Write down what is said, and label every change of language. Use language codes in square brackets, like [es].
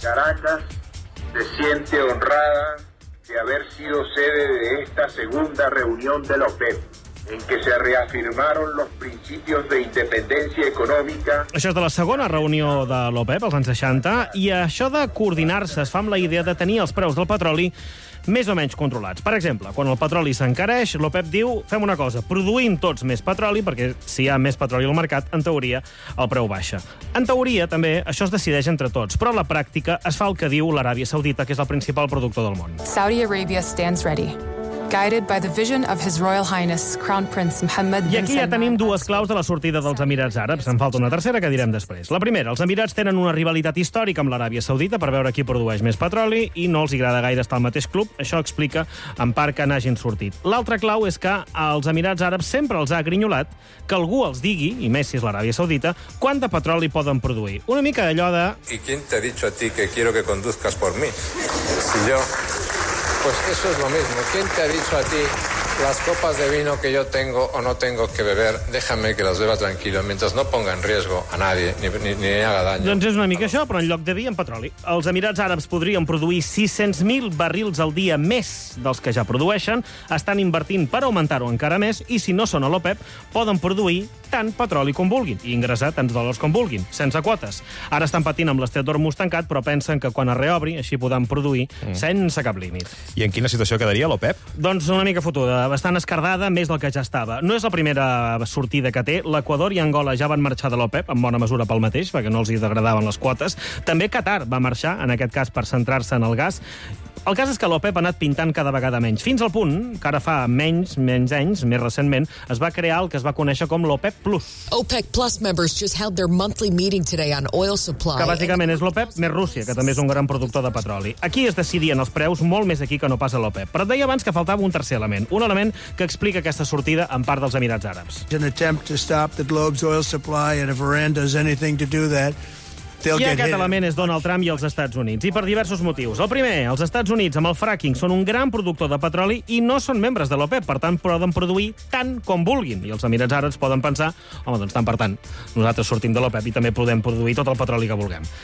[es] Caracas se siente honrada de haber sido sede de esta segunda reunión de la OPEP, en que se reafirmaron los principios de independencia económica... [ca] Això és de la segona reunió de l'OPEP, als anys 60, i això de coordinar-se es fa amb la idea de tenir els preus del petroli més o menys controlats. Per exemple, quan el petroli s'encareix, l'OPEP diu, fem una cosa, produïm tots més petroli, perquè si hi ha més petroli al mercat, en teoria, el preu baixa. En teoria, també, això es decideix entre tots, però a la pràctica es fa el que diu l'Aràbia Saudita, que és el principal productor del món. [en] Saudi Arabia stands ready, guided by the vision of His Royal Highness, Crown Prince Mohammed bin [ca] Salman. I aquí ja tenim dues claus de la sortida dels Emirats Àrabs. En falta una tercera, que direm després. La primera, els Emirats tenen una rivalitat històrica amb l'Aràbia Saudita per veure qui produeix més petroli i no els agrada gaire estar al mateix club. Això explica en part que n'hagin sortit. L'altra clau és que els Emirats Àrabs sempre els ha grinyolat que algú els digui, i més si és l'Aràbia Saudita, quant de petroli poden produir. Una mica d'allò de... [es] ¿Y quién te ha dicho a ti que quiero que conduzcas por mí? Si yo... Pues eso es lo mismo. ¿Quién te ha dicho a ti las copas de vino que yo tengo o no tengo que beber? Déjame que las beba tranquilo, mientras no ponga en riesgo a nadie, ni haga daño. [ca] Doncs és una mica això, però en lloc de vi, en petroli. Els Emirats Àrabs podrien produir 600.000 barrils al dia més dels que ja produeixen, estan invertint per augmentar-ho encara més, i si no són a l'OPEP, poden produir tant petroli com vulguin i ingressar tants dòlars com vulguin, sense quotes. Ara estan patint amb l'estret d'Hormuz tancat, però pensen que quan es reobri així podran produir sense cap límit. I en quina situació quedaria l'OPEP? Doncs una mica fotuda, bastant escardada, més del que ja estava. No és la primera sortida que té. L'Equador i Angola ja van marxar de l'OPEP, en bona mesura pel mateix, perquè no els agradaven les quotes. També Qatar va marxar, en aquest cas per centrar-se en el gas. El cas és que l'OPEP ha anat pintant cada vegada menys, fins al punt que ara fa menys anys, més recentment, es va crear el que es va conèixer com l'OPEP Plus. [en] OPEC Plus members just held their monthly meeting today on oil supply. [ca] Que bàsicament és l'OPEP més Rússia, que també és un gran productor de petroli. Aquí es decidien els preus molt més aquí que no pas a l'OPEP. Però et deia abans que faltava un tercer element, un element que explica aquesta sortida en part dels Emirats Àrabs. [en] An attempt to stop the globe's oil supply and if Iran does anything to do that. [ca] I aquest element és Donald Trump i els Estats Units, i per diversos motius. El primer, els Estats Units amb el fracking són un gran productor de petroli i no són membres de l'OPEP, per tant, poden produir tant com vulguin. I els Emirats Àrabs poden pensar, home, doncs tant per tant, nosaltres sortim de l'OPEP i també podem produir tot el petroli que vulguem.